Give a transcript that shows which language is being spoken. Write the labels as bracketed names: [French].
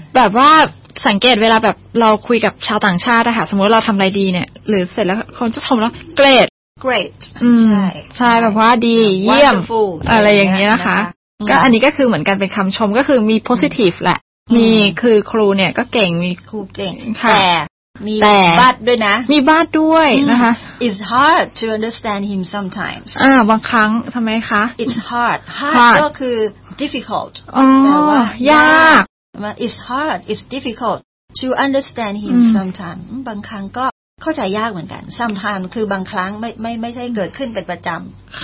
[Thai] แบบว่าสังเกตเวลาแบบเราคุยกับชาวต่างชาติอะค่ะสมมติเราทำอะไรดีเนี่ยหรือเสร็จแล้วคนจะชมแล้ว great [English] Great [Thai] ใช่แบบว่าดีเยี่ยม [English] Wonderful. [Thai] อะไรอย่างนี้นะคะก็อันนี้ก็คือเหมือนกันเป็นคำชมก็คือมี positive แหละมีคือครูเนี่ยก็เก่งมี ครูเก่ง แ ต่มีบาดด้วยนะ มีบาดด้วยนะคะ [English] It's hard to understand him sometimes [Thai] บางครั้งทำไมคะ [English] It's hard [Thai] ก็คือ [English] difficult [Thai] อ๋อยาก [English] It's hard It's difficult to understand him sometimes [Thai] บางครั้งก็เข้าใจยากเหมือนกัน sometimes คือบางครั้งไม่ใช่เกิดขึ้นเป็นประจำ